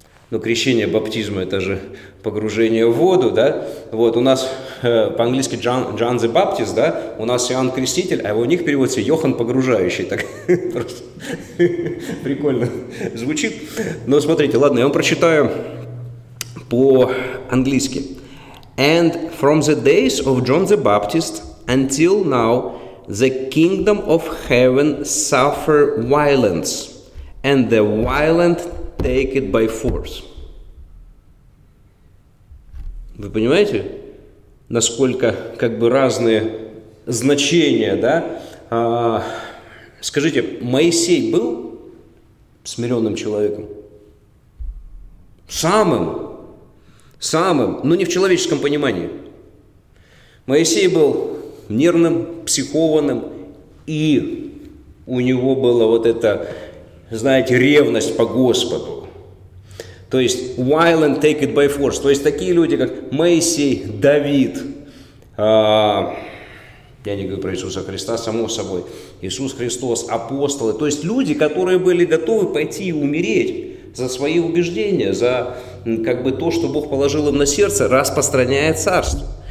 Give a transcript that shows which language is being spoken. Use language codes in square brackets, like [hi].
[ru] Но крещение, баптизм – это же погружение в воду, да? Вот у нас по-английски John the Baptist, да? У нас Иоанн Креститель, а у них переводится Йохан Погружающий. Так просто прикольно звучит. Но смотрите, ладно, я вам прочитаю по-английски. [en] «And from the days of John the Baptist until now the kingdom of heaven suffer violence, and the violent take it by force». [ru] Вы понимаете, насколько как бы разные значения, да? Скажите, Моисей был смиренным человеком? Самым, но не в человеческом понимании. Моисей был нервным, психованным, и у него была вот эта, знаете, ревность по Господу. То есть, [en] while and take it by force. [ru] То есть, такие люди, как Моисей, Давид, я не говорю про Иисуса Христа, само собой, Иисус Христос, апостолы. То есть, люди, которые были готовы пойти и умереть за свои убеждения, за как бы то, что Бог положил им на сердце, распространяя Царство.